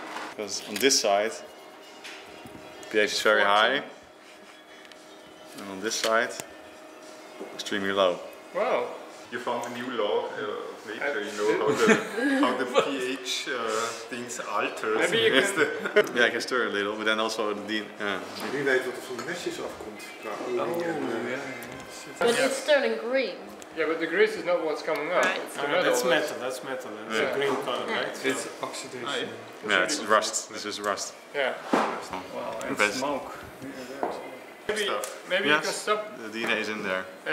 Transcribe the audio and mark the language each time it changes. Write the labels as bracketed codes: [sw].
[en] Because on this side, pH is very high. And on this side, extremely low. Wow. You found a new law of nature, you know how the pH things alter. Maybe you can... Yeah, I can stir a little, but then also the... [nl] Wie weet wat er van mesjes afkomt. [en] But it's turning green. Yeah, but the grease is not what's coming up. Right. That's metal. It's a green color, right? It's oxidation. Yeah, it's rust. This is rust. Yeah. Wow, it's smoke. Maybe yes. You can stop. The DNA is in there.